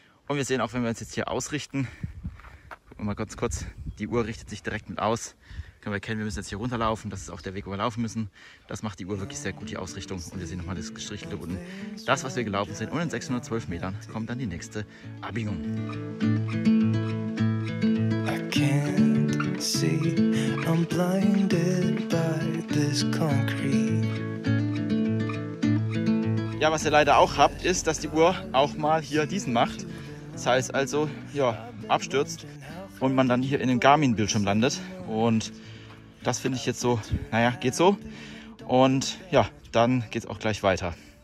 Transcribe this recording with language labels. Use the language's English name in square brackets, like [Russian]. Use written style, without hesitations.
[German] Und wir sehen auch, wenn wir uns jetzt hier ausrichten, gucken wir mal kurz, die Uhr richtet sich direkt mit aus. Können wir erkennen, wir müssen jetzt hier runterlaufen, das ist auch der Weg, wo wir laufen müssen. Das macht die Uhr wirklich sehr gut, die Ausrichtung. Und wir sehen nochmal das gestrichelte unten, das, was wir gelaufen sind. Und in 612 Metern kommt dann die nächste Abbiegung. [English] I can't see, I'm blinded by this concrete. [German] Ja, was ihr leider auch habt, ist, dass die Uhr auch mal hier diesen macht. Das heißt also, ja, abstürzt und man dann hier in den Garmin-Bildschirm landet. Und das finde ich jetzt so, naja, geht so. Und ja, dann geht es auch gleich weiter.